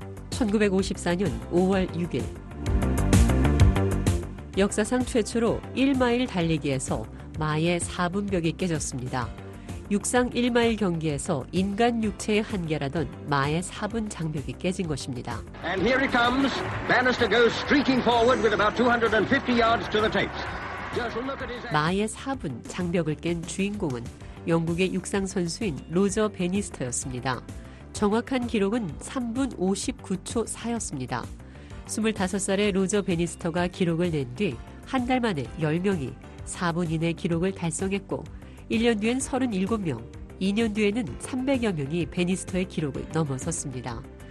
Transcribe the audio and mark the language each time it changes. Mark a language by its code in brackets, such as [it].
[ko] 1954년 5월 6일 역사상 최초로 1마일 달리기에서 마의 4분벽이 깨졌습니다. 육상 1마일 경기에서 인간 육체의 한계라던 마의 4분 장벽이 깨진 것입니다. [en] And here he comes. Bannister goes streaking forward with about 250 yards to the tapes. [ko] 마의 4분 장벽을 깬 주인공은 영국의 육상 선수인 로저 베니스터였습니다. 정확한 기록은 3분 59초 4였습니다. 25살의 로저 베니스터가 기록을 낸 뒤 한 달 만에 10명이 4분 이내 기록을 달성했고 1년 뒤엔 37명, 2년 뒤에는 300여 명이 베니스터의 기록을 넘어섰습니다.